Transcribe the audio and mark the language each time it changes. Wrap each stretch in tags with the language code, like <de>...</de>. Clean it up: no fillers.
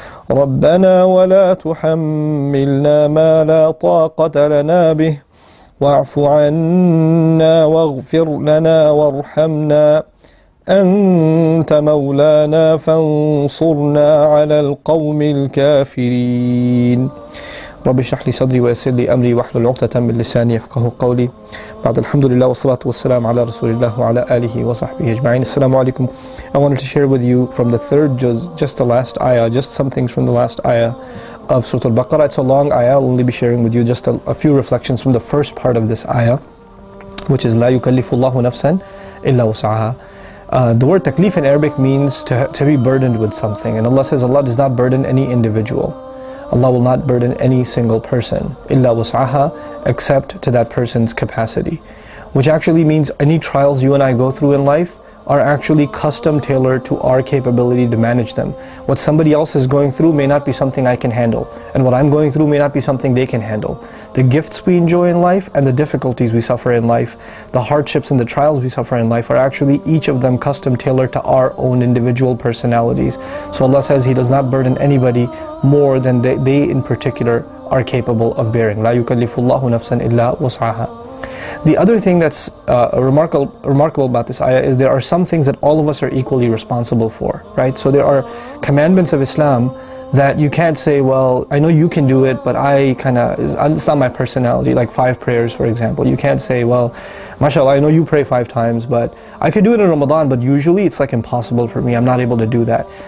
<ar>ربنا ولا تحملنا ما لا طاقة لنا به، واعف عنا واغفر لنا وارحمنا، أنت مولانا فانصرنا على القوم الكافرين. رب اشرح لي صدري ويسر لي أمري واحلل عقدة من لساني يفقه قولي. بعد، الحمد لله والصلاة والسلام على رسول الله وعلى آله وصحبه أجمعين. السلام عليكم.</ar> <en>I wanted to share with you from the third juz, just the last ayah, just some things from the last ayah of Surah Al-Baqarah. It's a long ayah. I'll only be sharing with you just a few reflections from the first part of this ayah, which is</en> <ar>لا يكلف الله نفسا إلا وسعها.</ar> <en>The word taklif in Arabic means to be burdened with something. And Allah says Allah does not burden any individual. Allah will not burden any single person, illa wasaha, except to that person's capacity. Which actually means any trials you and I go through in life are actually custom tailored to our capability to manage them. What somebody else is going through may not be something I can handle, and what I'm going through may not be something they can handle. The gifts we enjoy in life and the difficulties we suffer in life, the hardships and the trials we suffer in life, are actually each of them custom tailored to our own individual personalities. So Allah says He does not burden anybody more than they in particular are capable of bearing.</en> <ar>لا يكلف الله نفسا إلا وسعها.</ar> <en>The other thing that's remarkable about this ayah is there are some things that all of us are equally responsible for, right? So there are commandments of Islam that you can't say, well, I know you can do it, but I kind of, it's not my personality, like five prayers, for example. You can't say, well, mashallah, I know you pray five times, but I could do it in Ramadan, but usually it's like impossible for me, I'm not able to do that.</en>